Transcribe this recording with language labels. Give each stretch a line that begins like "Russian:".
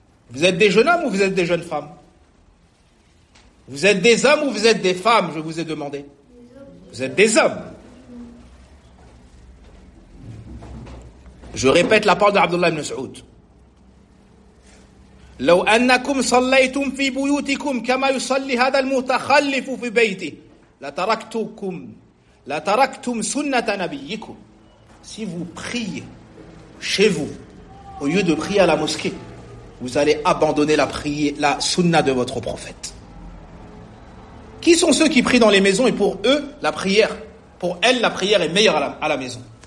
French: Vous êtes des jeunes hommes ou vous êtes des jeunes femmes? Vous êtes des hommes ou vous êtes des femmes, je vous ai demandé. Vous êtes des hommes. Je répète la parole d'Abdullah ibn Saoud.
Arabic: لو أنكم صليتم في بيوتكم كما يصلي هذا المتخلف في بيته لتركتم سنة نبيكم.
French: Si vous priez chez vous au lieu de prier à la mosquée, vous allez abandonner la sunna de votre prophète. Qui sont ceux qui prient dans les maisons et pour eux la prière, pour elles la prière est meilleure à la maison?